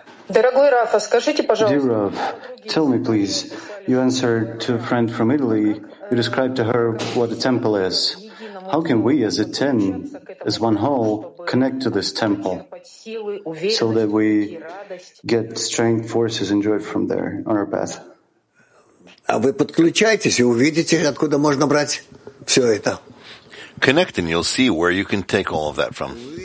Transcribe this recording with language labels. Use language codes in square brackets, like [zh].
[en] Dear Rav, tell me please, you answered to a friend from Italy, you described to her what a temple is. How can we as a ten, as one whole, connect to this temple so that we get strength, forces and joy from there on our path? [ru] А вы подключайтесь и увидите, откуда можно брать все это. [en] Connect and you'll see where you can take all of that from.